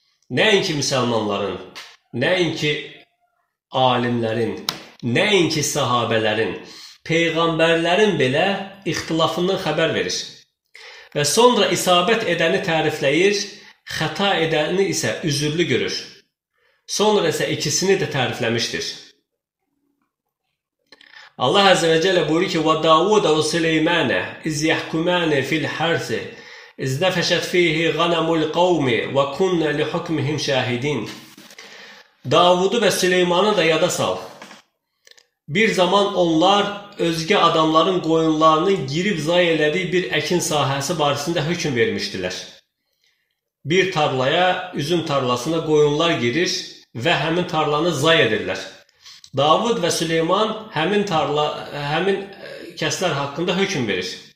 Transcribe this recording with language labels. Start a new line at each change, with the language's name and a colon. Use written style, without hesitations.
Azerbaijani: Nəinki müsəlmanların, nəinki alimlərin, nəinki sahabələrin, peyğəmbərlərin belə ixtilafından xəbər verir. Və sonra isabət edəni tərifləyir, xəta edəni isə üzürlü görür. Sonra isə ikisini də tərifləmişdir.
Arabic: Allah Əzzə və Cəllə buyurur ki, وَدَاوُدَ وَسُلَيْمَانَ اِذْ يَحْكُمَانِ فِي الْحَرْثِ اِذْ نَفَشَتْ ف۪يهِ غَنَمُ الْقَوْمِ وَكُنَّ لِحُكْمِهِمْ شَاهِدِينَ
Azerbaijani: Davudu və Süleymanı da yada sal. Bir zaman onlar özgə adamların qoyunlarının girib zay elədiyi bir əkin sahəsi barisində hökm vermişdilər. Bir tarlaya, üzüm tarlasına qoyunlar girir və həmin tarlanı zay edirlər. Davud və Süleyman həmin kəslər haqqında hökm verir.